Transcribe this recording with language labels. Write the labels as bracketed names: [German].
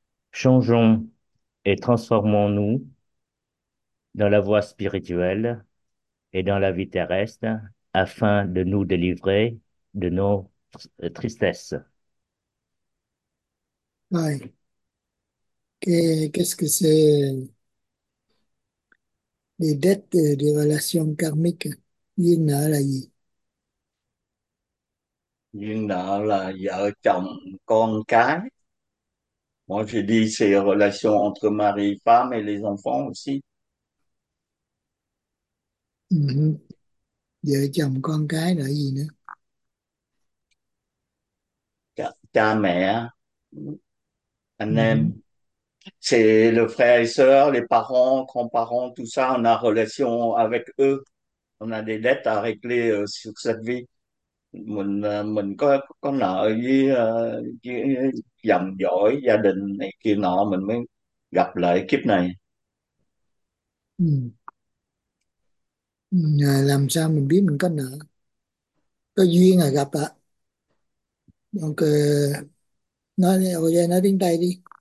[French] Changeons et transformons-nous dans la voie spirituelle et dans la vie terrestre afin de nous délivrer de nos tristesses. Rồi, qu'est-ce que c'est les dettes des relations karmiques, [Vietnamese] duyên nợ là gì? Duyên nợ là vợ chồng con cái. [French] Moi, j'ai dit c'est relation entre mari, femme et les enfants aussi. [Vietnamese] Vợ chồng con cái là gì nữa? Cha mẹ, anh em, [French] c'est le frère et soeur, les parents, grands-parents, tout ça, on a relation avec eux. On a des dettes à régler sur cette vie. [Vietnamese] mình có nợ với dòng dõi gia đình này kia nọ mình mới gặp lại kiếp này. Làm sao mình biết mình có nợ? Có duyên là gặp ạ. Ok, nói tiếng Tây đi.